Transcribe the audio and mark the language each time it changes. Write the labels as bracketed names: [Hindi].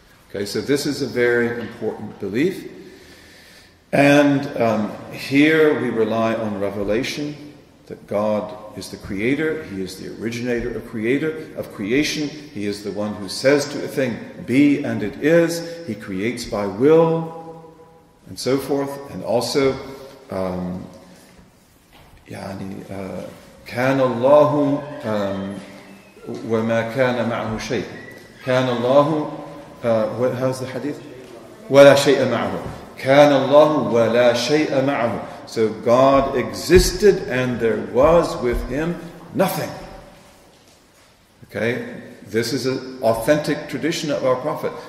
[English] Okay, so this is a very important belief. And here we rely on revelation, that God is the creator, He is the originator of creator, of creation. He is the one who says to a thing, be, and it is. He creates by will, and so forth. And also, [Arabic] كان الله وما كان معه شيء. كان الله [English] how's the hadith? [Arabic] ولا شيء معه. كان الله ولا شيء معه. [English] So God existed and there was with Him nothing. Okay, this is an authentic tradition of our Prophet.